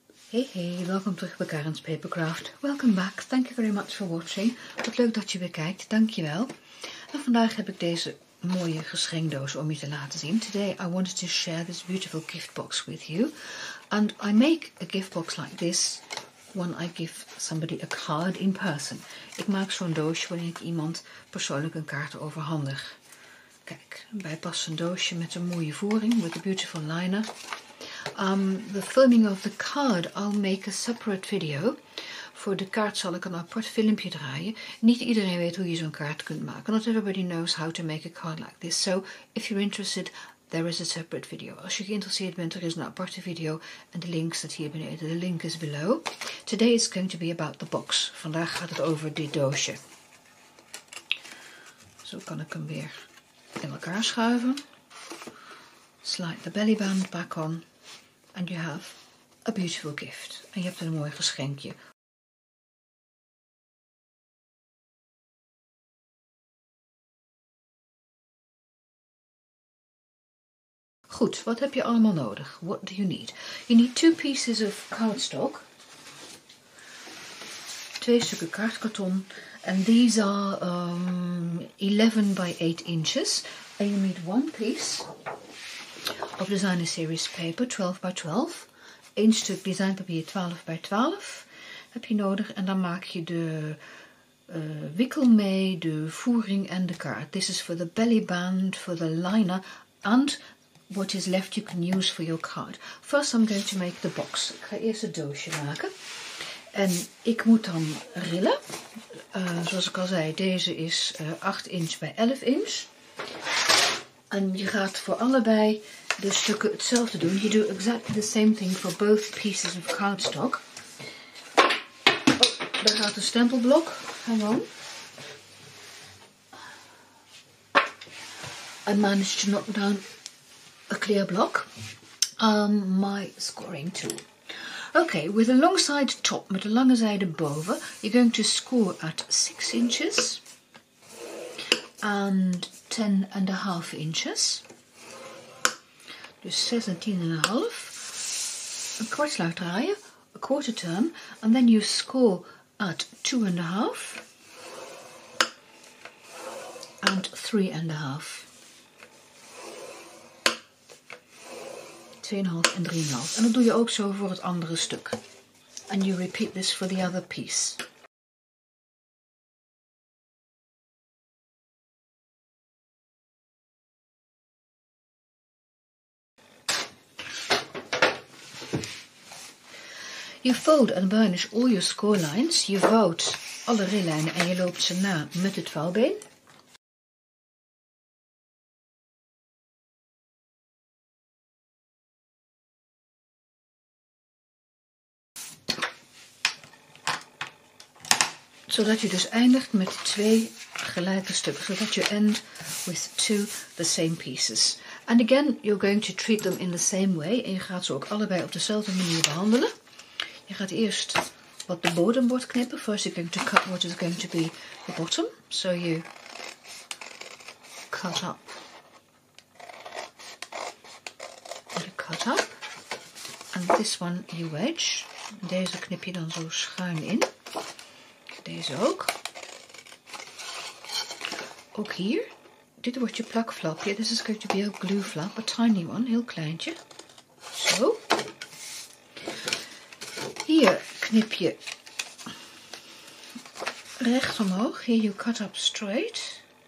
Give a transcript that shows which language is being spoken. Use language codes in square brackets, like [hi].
[nl] Hey, hey, welkom terug bij Karen's Papercraft. [en] Welcome back, thank you very much for watching. [nl] Wat leuk dat je weer kijkt, dankjewel. En vandaag heb ik deze mooie geschenkdoos om je te laten zien. [en] Today I wanted to share this beautiful gift box with you. And I make a gift box like this when I give somebody a card in person. [nl] Ik maak zo'n doosje wanneer ik iemand persoonlijk een kaart overhandig. Kijk, een bijpassend doosje met een mooie voering, [en] with a beautiful liner. The filming of the card, I'll make a separate video. [nl] Voor de kaart zal ik een apart filmpje draaien. Niet iedereen weet hoe je zo'n kaart kunt maken. [en] Not everybody knows how to make a card like this. So, if you're interested, there is a separate video. [nl] Als je geïnteresseerd bent, er is een aparte video. En de link staat hier beneden. [en] De link is below. Today is going to be about the box. [nl] Vandaag gaat het over dit doosje. Zo kan ik hem weer in elkaar schuiven. [en] Slide the belly band back on. And you have a beautiful gift. [nl] En je hebt een mooi geschenkje. Goed, wat heb je allemaal nodig? [en] What do you need? You need two pieces of cardstock. [nl] Twee stukken kaartkarton. [en] And these are 11 by 8 inches. And you need one piece of designer series paper, 12 by 12. [nl] Eén stuk designpapier, 12 by 12 heb je nodig. En dan maak je de wikkel mee, de voering en de kaart. [en] This is for the belly band, for the liner. And what is left you can use for your card. First I'm going to make the box. [nl] Ik ga eerst het doosje maken. En ik moet dan rillen. Zoals ik al zei, deze is 8 inch by 11 inch. En je gaat voor allebei de stukken hetzelfde doen. [en] You do exactly the same thing for both pieces of cardstock. [nl] Oh, daar gaat de stempelblok. [en] Hang on. I managed to knock down a clear block. My scoring tool. Okay, with a long side top, [nl] met een lange zijde boven, [en] you're going to score at 6 inches. And 10.5 inches. [nl] Dus 6 en 10.5. Een kwartslag draaien. [en] A quarter turn. And then you score at 2.5. And 3.5. [nl] 2.5 en 3.5. En dat doe je ook zo voor het andere stuk. [en] And you repeat this for the other piece. You fold and burnish all your score lines. [nl] Je vouwt alle rillijnen en je loopt ze na met het vouwbeen. Zodat je dus eindigt met twee gelijke stukken. Zodat je [en] end with two the same pieces. And again, you're going to treat them in the same way. [nl] En je gaat ze ook allebei op dezelfde manier behandelen. Je gaat eerst wat de bodem wordt knippen. [en] First you're going to cut what is going to be the bottom. So you cut up. And you cut up. And this one you wedge. [nl] Deze knip je dan zo schuin in. Deze ook. Ook hier. Dit wordt je plakflapje. [en] This is going to be a glue flap. A tiny one. [nl] Heel kleintje. Zo. Hier knip je recht omhoog. [en] Here you cut up straight.